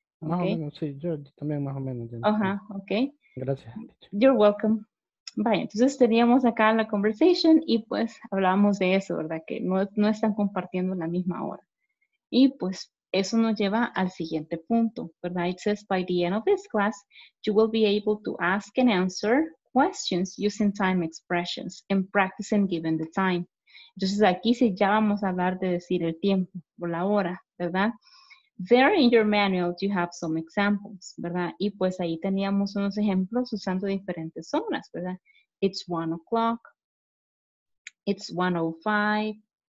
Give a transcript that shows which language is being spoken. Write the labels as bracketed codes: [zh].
[es] Más o menos, sí. Yo también más o menos. Ajá, ok. Gracias. [en] You're welcome. [es] Vaya, entonces teníamos acá la conversation y pues hablábamos de eso, ¿verdad? Que no están compartiendo la misma hora. Y pues eso nos lleva al siguiente punto, ¿verdad? [en] It says, by the end of this class, you will be able to ask and answer questions using time expressions and practicing given the time. [es] Entonces aquí sí ya vamos a hablar de decir el tiempo o la hora, ¿verdad? [en] There in your manual you have some examples, [es] ¿verdad? Y pues ahí teníamos unos ejemplos usando diferentes zonas, ¿verdad? [en] It's 1 o'clock. It's 1:05.